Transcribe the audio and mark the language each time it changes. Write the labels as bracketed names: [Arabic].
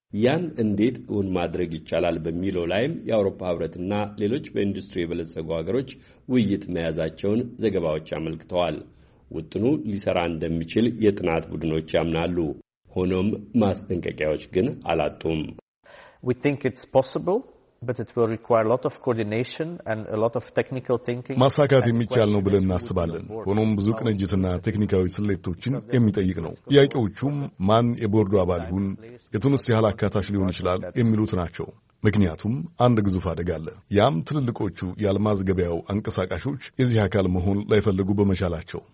[Amharic] ያን እንዴት እውን ማድረግ ይቻላል በሚለው ላይም የአውሮፓ ህብረትና ሌሎች በኢንዱስትሪ የበለጸጉ ሀገሮች ውይይት መያዛቸውን ዘገባዎች አመልክተዋል። ውጥኑ ሊሰራ እንደሚችል የጥናት ቡድኖች ያምናሉ። ሆኖም ማስጠንቀቂያዎች ግን አላጡም። [English] We think it's possible, but it will require a lot of coordination and a lot of technical thinking. [Amharic] ማሳካት የሚቻል ነው ብለን እናስባለን። ሆኖም ብዙ ቅንጅትና ቴክኒካዊ ስልቶችን የሚጠይቅ ነው። ጥያቄዎቹም ማን የቦርዱ አባል ይሁን፣ የቱንስ ያህል አካታች ሊሆን ይችላል የሚሉት ናቸው። ምክንያቱም አንድ ግዙፍ አደጋ አለ። ያም ትልልቆቹ የአልማዝ ገበያው አንቀሳቃሾች የዚህ አካል መሆን ላይፈልጉ በመቻላቸው።